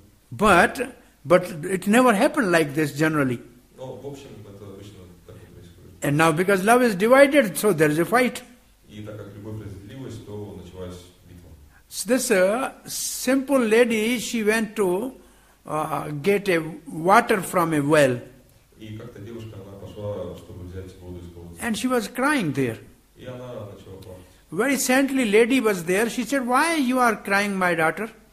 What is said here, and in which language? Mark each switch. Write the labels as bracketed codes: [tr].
[en] But it never happened like this generally. [ru] No, в общем, это обычно так и происходит. [en] And now because love is divided, so there is a fight. [ru] И так как любовь разделилась, то началась битва. [en] So this simple lady, she went to get a water from a well. [ru] И как-то девушка, она пошла, чтобы взять воду из колодца. [en] And she was crying there. [ru] И она начала плакать. [en] Very saintly lady was there. She said, "Why you are crying, my daughter?"